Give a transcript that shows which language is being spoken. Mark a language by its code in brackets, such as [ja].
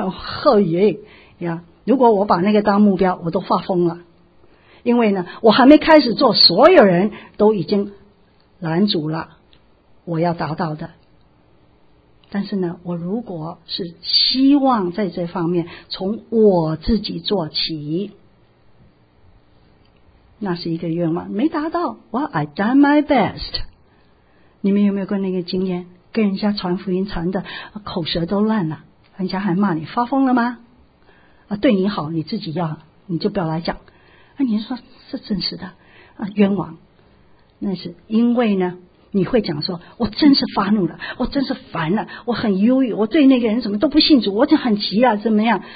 [zh] 呵耶呀！如果我把那个当目标，我都发疯了。因为呢，我还没开始做，所有人都已经拦阻了我要达到的。但是呢，我如果是希望在这方面从我自己做起。那是一个愿望没达到， [en] Well, I done my best。 [zh] 你们有没有过那个经验，跟人家传福音传的口舌都烂了，人家还骂你发疯了吗？啊，对你好你自己要你就不要来讲，啊，你说是真实的，啊，冤枉。那是因为呢，你会讲说我真是发怒了，我真是烦了，我很忧郁，我对那个人什么都不信主，我就很急啊，怎么样。